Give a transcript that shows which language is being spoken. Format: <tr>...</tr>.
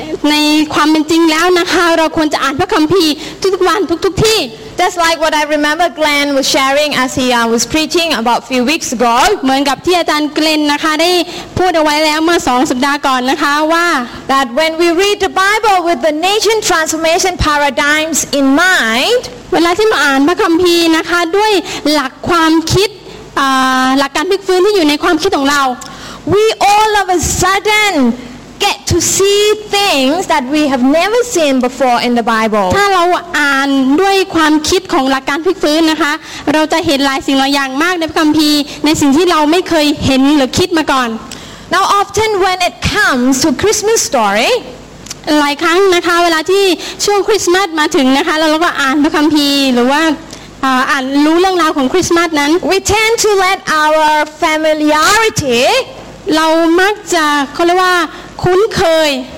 <th>ในความเป็นจริงแล้วนะคะเราควรจะอ่านพระคัมภีร์ทุกวันทุกที่</th> <en>Just like what I remember Glenn was sharing as he was preaching about a few weeks ago.</en> <th>เหมือนกับที่อาจารย์เกรนนะคะได้พูดเอาไว้แล้วเมื่อ2สัปดาห์ก่อนนะคะว่า</th> <en>that when we read the Bible with the nation transformation paradigms in mind.</en> <th>เวลาที่มาอ่านพระคัมภีร์นะคะด้วยหลักความคิดหลักการพลิกฟื้นที่อยู่ในความคิดของเรา</th> <en>we all of a suddenget to see things that we have never seen before in the Bible</en> <th>ถ้าเราอ่านด้วยความคิดของหลักการพลิกฟื้นนะคะเราจะเห็นหลายสิ่งหลายอย่างมากในพระคัมภีร์ในสิ่งที่เราไม่เคยเห็นหรือคิดมาก่อน</th> <en>Now often when it comes to Christmas story</en> <th>หลายครั้งนะคะเวลาที่ช่วงคริสต์มาสมาถึงนะคะเราก็อ่านพระคัมภีร์หรือว่าอ่านรู้เรื่องราวของคริสต์มาสนั้น</th> <en>we tend to let our familiarity</en> <th>เรามักจะเขาเรียกว่าคุ้นเคย</th>